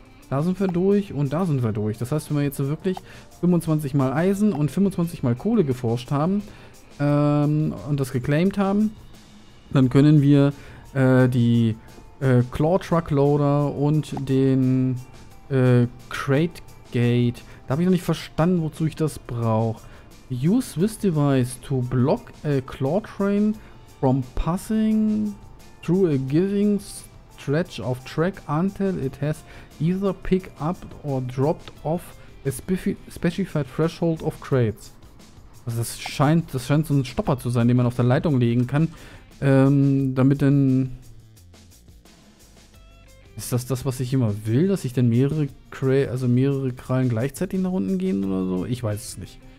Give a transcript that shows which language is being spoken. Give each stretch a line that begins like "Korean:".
German: Da sind wir durch und da sind wir durch. Das heißt, wenn wir jetzt wirklich 25 mal Eisen und 25 mal Kohle geforscht haben und das geclaimed haben, dann können wir die Claw Truck Loader und den Crate Gate, da habe ich noch nicht verstanden, wozu ich das brauche.
English: Use this device to block a claw train from passing through a giving stretch of track until it has either pick up or dropped off a specified threshold of crates.
German: Also das scheint so ein Stopper zu sein, den man auf der Leitung legen kann. Damit dann... Ist das das, was ich immer will? Dass ich dann mehrere Krallen gleichzeitig nach unten gehen oder so? Ich weiß es nicht.